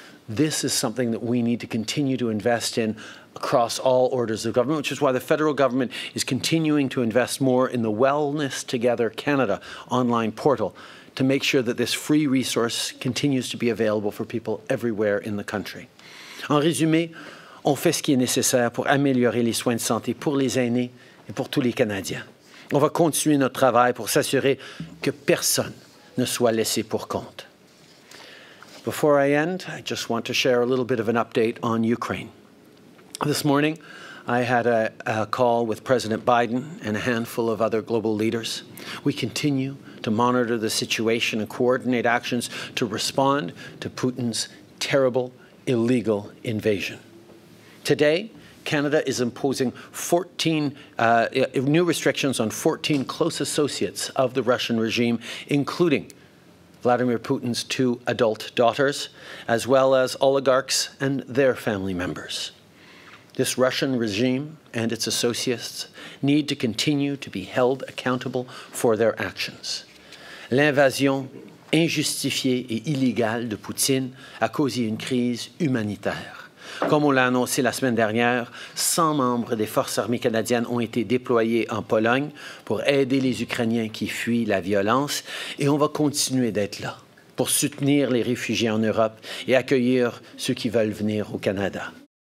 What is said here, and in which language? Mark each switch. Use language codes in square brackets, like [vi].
[en] This is something that we need to continue to invest in across all orders of government, which is why the federal government is continuing to invest more in the Wellness Together Canada online portal to make sure that this free resource continues to be available for people everywhere in the country. [fr] En résumé, on fait ce qui est nécessaire pour améliorer les soins de santé pour les aînés et pour tous les Canadiens. On va continuer notre travail pour s'assurer que personne ne soit laissé pour compte. [en] Before I end, I just want to share a little bit of an update on Ukraine. This morning, I had a call with President Biden and a handful of other global leaders. We continue to monitor the situation and coordinate actions to respond to Putin's terrible, illegal invasion. Today, Canada is imposing 14 new restrictions on 14 close associates of the Russian regime, including Vladimir Putin's two adult daughters, as well as oligarchs and their family members. This Russian regime and its associates need to continue to be held accountable for their actions. [fr] L'invasion injustifiée et illégale de Poutine a causé une crise humanitaire. Comme on l'a annoncé la semaine dernière, 100 membres des forces armées canadiennes ont été déployés en Pologne pour aider les Ukrainiens qui fuient la violence, et on va continuer d'être là pour soutenir les réfugiés en Europe et accueillir ceux qui veulent venir au Canada.